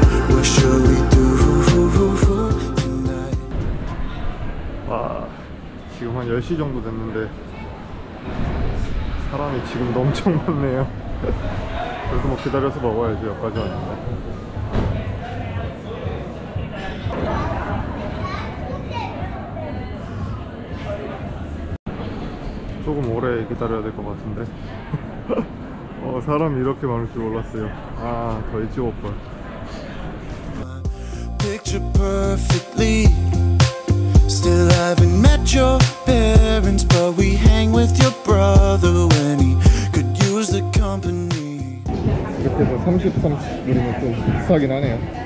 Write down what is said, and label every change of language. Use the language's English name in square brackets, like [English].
[English] What shall we do tonight? [Korean] 와, 지금 한 10시 정도 됐는데 사람이 지금도 엄청 많네요. 그래서 뭐 기다려서 먹어야지 여기까지 왔는데. 조금 오래 기다려야 될 것 같은데. 사람 이렇게 많을 줄 몰랐어요. 아, 더 일찍 올 걸. [English] Picture perfectly. Still haven't met your parents, but we hang with your brother when he could use the company. [Korean] 이렇게 해서 33 이러면 또 비싸긴 하네요.